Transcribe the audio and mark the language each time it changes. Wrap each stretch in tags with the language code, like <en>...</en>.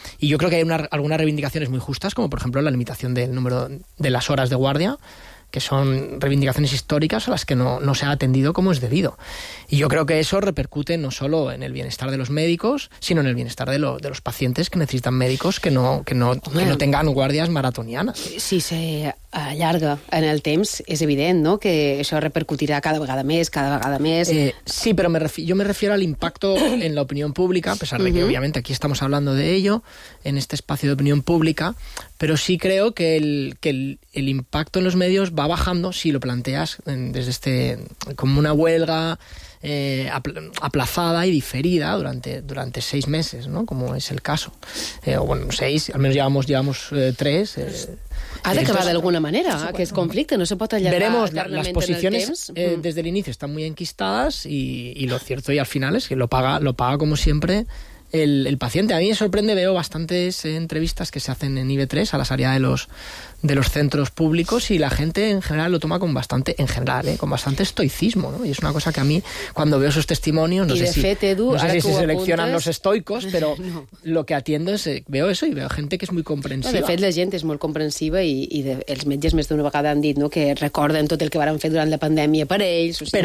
<es>Y yo creo que hay algunas reivindicaciones muy justas, como por ejemplo la limitación del número de las horas de guardia, que son reivindicaciones históricas a las que no se ha atendido como es debido. Y yo creo que eso repercute no solo en el bienestar de los médicos, sino en el bienestar de los pacientes que necesitan médicos que no tengan guardias maratonianas.</es> <ca>Si se allarga en el temps, és evident, no?, que això repercutirà cada vegada més...</ca> <es>Sí, però me refiero al impacto en la opinió pública, a pesar de que, obviamente, aquí estamos hablando de ello, en este espacio de opinió pública, pero sí creo que el impacto en los medios va bajando si lo planteas desde este como una huelga aplazada y diferida durante 6 meses, ¿no? Como es el caso. Bueno, 6, al menos llevamos 3.</es> <ca>Ha de acabar</ca> <es>de alguna manera,</es> <ca>bueno, que es conflicte, no se pot allargar.</ca> <es>Veremos, las posiciones desde el inicio están muy enquistadas y lo cierto y al final es que lo paga como siempre el paciente. A mí me sorprende, veo bastantes entrevistas que se hacen en IB3 a la salida de los centros públicos y la gente en general lo toma con bastante estoicismo, ¿no? Y es una cosa que a mí, cuando veo esos testimonios, no sé si se seleccionan los estoicos, pero no. Lo que atiendo es, veo eso y veo gente que es muy comprensiva.</es> <ca>No, de fet, la gent és molt comprensiva i els metges més d'una vegada han dit, ¿no?, que recorden tot el que varen fer durant la pandèmia per ells.</ca>